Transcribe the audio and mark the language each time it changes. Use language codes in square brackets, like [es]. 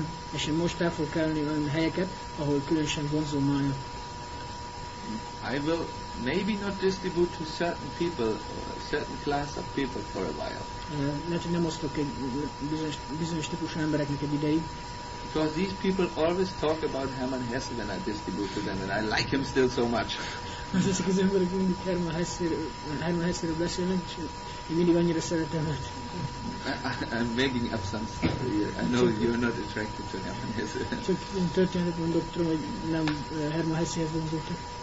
[hu] És én most el fogok kelni olyan helyeket, ahol különösen vonzó Maya. [en] I will maybe not distribute to certain people, certain class of people for a while. [hu] Lehet, hogy nem osztok egy bizonyos típusú embereknek egy ideig. [en] Because these people always talk about Hermann Hesse when I distribute to them, and I like him still so much. [hu] Ezek az emberek mindig Hermann Hesse-ről beszélnek, és én mindig annyira szeretem őt. [en] I'm making up some story. I know you're not attracted to Hermann Hesse. [hu] Csak én történetet mondok, tudom, hogy nem Hermann Hesse-hez vonzottak.